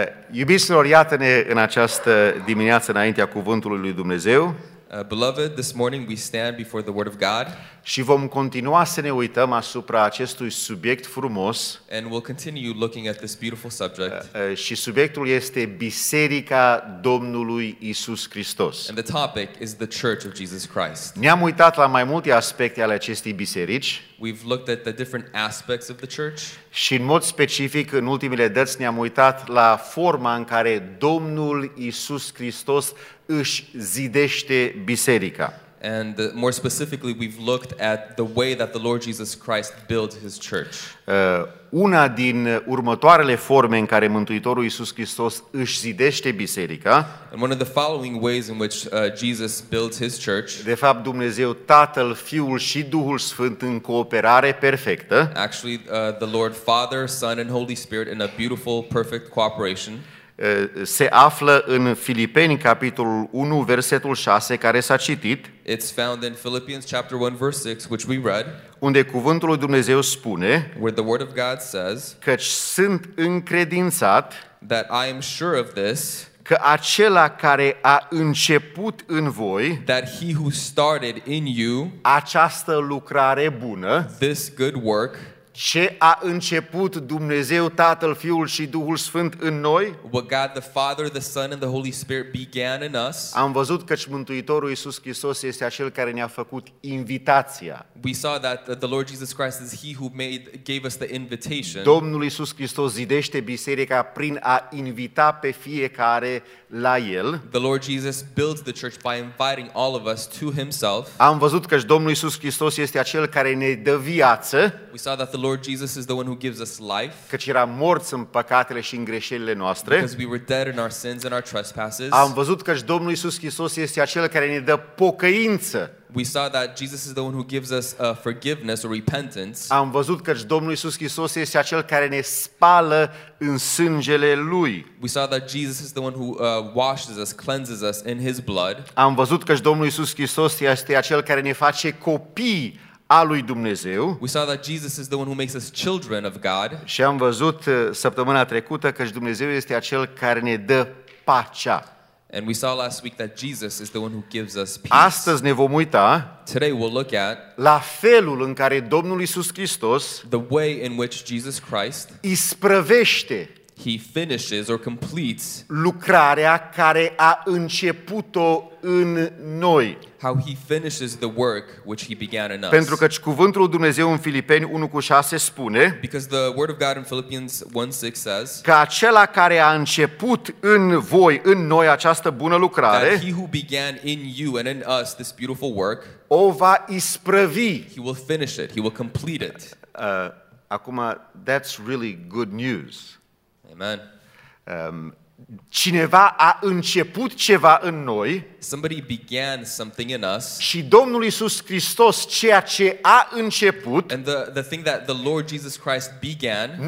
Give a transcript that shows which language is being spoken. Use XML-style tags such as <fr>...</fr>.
<ro>Iubiților, iată-ne în această dimineață înaintea cuvântului lui Dumnezeu.</ro> <en>Beloved, this morning we stand before the word of God.</en> <ro>Și vom continua să ne uităm asupra acestui subiect frumos.</ro> <en>And we'll continue looking at this beautiful subject.</en> <ro>Și subiectul este Biserica Domnului Iisus Hristos.</ro> <en>And the topic is the Church of Jesus Christ.</en> <ro>Ne-am uitat la mai multe aspecte ale acestei biserici.</ro> <en>We've looked at the different aspects of the church.</en> <ro>Și în mod specific, în ultimele dăți ne-am uitat la forma în care Domnul Iisus Hristos își zidește biserica.</ro> <en>And more specifically, we've looked at the way that the Lord Jesus Christ built his church.</en> <ro>Una din următoarele forme în care Mântuitorul Iisus Hristos își zidește biserica.</ro> <en>And one of the following ways in which Jesus built his church.</en> <ro>De fapt, Dumnezeu Tatăl, Fiul și Duhul Sfânt în cooperare perfectă.</ro> <en>Actually, the Lord Father, Son and Holy Spirit in a beautiful, perfect cooperation.</en> <ro>Se află în Filipeni capitolul 1 versetul 6 care s-a citit.</ro> <en>It's found in Philippians chapter 1 verse 6 which we read.</en> <ro>Unde cuvântul lui Dumnezeu spune,</ro> <en>where the word of God says,</en> <ro>căci sunt încredințat,</ro> <en>that I am sure of this,</en> <ro>că acela care a început în voi,</ro> <en>that he who started in you,</en> <ro>această lucrare bună,</ro> <en>this good work,</en> <ro>ce a început Dumnezeu, Tatăl, Fiul și Duhul Sfânt în noi?</ro> <en>What God the Father, the Son and the Holy Spirit began in us?</en> <ro>Am văzut că Mântuitorul Iisus Hristos este acel care ne-a făcut invitația.</ro> <en>We saw that the Lord Jesus Christ is he who gave us the invitation.</en> <ro>Domnul Iisus Hristos zidește biserica prin a invita pe fiecare la el.</ro> <en>The Lord Jesus builds the church by inviting all of us to himself.</en> <ro>Am văzut că Domnul Iisus Hristos este acel care ne dă viață.</ro> <en>We saw that the Lord Jesus is the one who gives us life.</en> <ro>Căci eram morți în păcatele și în greșelile noastre.</ro> <en>Because we were dead in our sins and our trespasses.</en> <ro>Am văzut că Domnul Iisus Hristos este acel care ne dă pocăință.</ro> <en>We saw that Jesus is the one who gives us forgiveness or repentance.</en> <ro>Am văzut că Domnul Iisus Hristos este acel care ne spală în sângele lui.</ro> <en>We saw that Jesus is the one who washes us, cleanses us in his blood.</en> <ro>Am văzut că Domnul Iisus Hristos este acel care ne face copii a lui Dumnezeu.</ro> <en>We saw that Jesus is the one who makes us children of God.</en> <ro>Și am văzut săptămâna trecută că Dumnezeu este acel care ne dă pacea.</ro> <en>And we saw last week that Jesus is the one who gives us peace.</en> <ro>Astăzi ne vom uita</ro> <en>today we'll look at</en> <ro>la felul în care Domnul Iisus Hristos</ro> <en>the way in which Jesus Christ</en> <ro>isprăvește</ro> <en>he finishes or completes</en> <ro>lucrarea care a început-o în noi.</ro> <en>How he finishes the work which he began in us.</en> <ro>Pentru că cuvântul lui Dumnezeu în Filipeni 1:6 spune</ro> <en>because the word of God in Philippians 1:6 says</en> <ro>că acela care a început în voi, în noi această bună lucrare</ro> <en>that he who began in you and in us this beautiful work</en> <ro>o va isprăvi.</ro> <en>He will finish it, he will complete it.</en> <ro>Acum,</ro> <en>that's really good news. Amen.</en> <ro>Cineva a început ceva în noi.</ro> <en>Somebody began something in us.</en> <ro>Și Domnul Iisus Hristos, ceea ce a început,</ro> <en>and the thing that the Lord Jesus Christ began,</en>